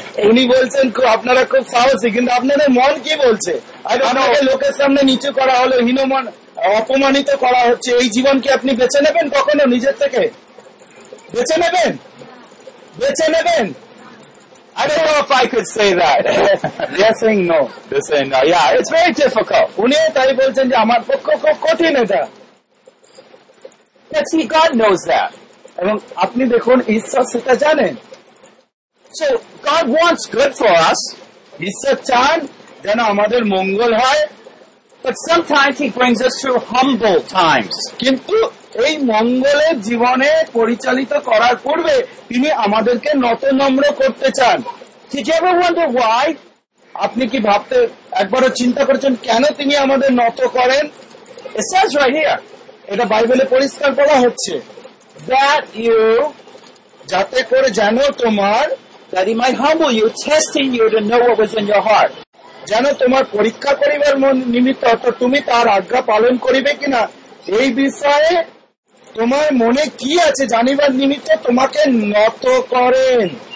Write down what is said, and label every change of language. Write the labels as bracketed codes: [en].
[bn] উনি বলছেন আপনারা খুব সাহসী, কিন্তু আপনাদের মন কি বলছে? আপনাকে লোকের সামনে নিচু করা হলো, হীনমন অপমানিত করা হচ্ছে, এই জীবন কি আপনি বেছে নেবেন কখনো নিজের থেকে? বেছে নেবেন? বেছে নেবেন? [en] I don't know if I could say that. Yes saying no. They're saying no. Yeah, it's very difficult. [bn] উনি তাই বলছেন যে আমার পক্ষে খুব কঠিন এটা. [en] But see, God knows that. [bn] এবং আপনি দেখুন ঈশ্বর সেটা জানেন. [en] So, God wants good for us. [bn] ঈশ্বর চান যেন আমাদের মঙ্গল হয়. [en] But sometimes he brings us through humble times. [bn] কিন্তু এই মঙ্গলে জীবনে পরিচালিত করার পূর্বে তিনি আমাদেরকে নত নম্র করতে চান. [en] Did you ever wonder why? [bn] আপনি কি ভাবতে একবারও চিন্তা করেছেন কেন তিনি আমাদের নত করেন? [en] It says right here. [bn] এটা বাইবেলে পরিষ্কার বলা হচ্ছে. [en] That you, [bn] যাতে করে জানো তোমার, [en] that he might humble you, testing you to know what was in your heart. [bn] যেন তোমার পরীক্ষা করিবার নিমিত্ত তুমি তার আজ্ঞা পালন করিবে কিনা, এই বিষয়ে তোমার মনে কি আছে জানিবার নিমিত্ত তোমাকে নত করেন.